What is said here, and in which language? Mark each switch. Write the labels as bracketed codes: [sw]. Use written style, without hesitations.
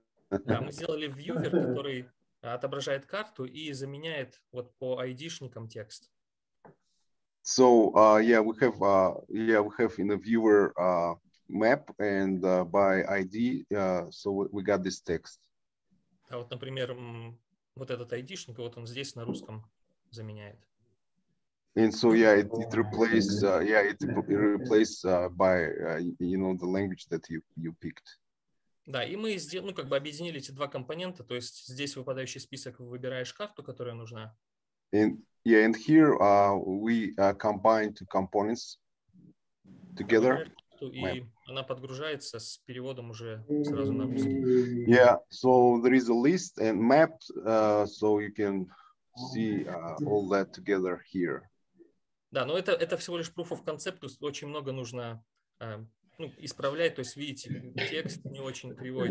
[ru] Да, мы сделали вьювер, который отображает карту и заменяет вот по ID-шникам текст. [en] So, we have in the viewer map and by ID, so we got this text. [ru] Да, вот, например, вот этот ID-шник, вот он здесь на русском заменяет. [en] And so yeah, it replaces by the language that you picked. [ru] Да, и мы сделали, ну как бы объединили эти два компонента, то есть здесь выпадающий список выбираешь карту, которая нужна. [en] And here we combine two components together. [ru] И она подгружается с переводом уже сразу на русский. [en] Yeah, so there is a list and map, so you can see all that together here. [ru] Да, но это всего лишь proof of concept, то есть очень много нужно исправлять, то есть видите, текст не очень кривой.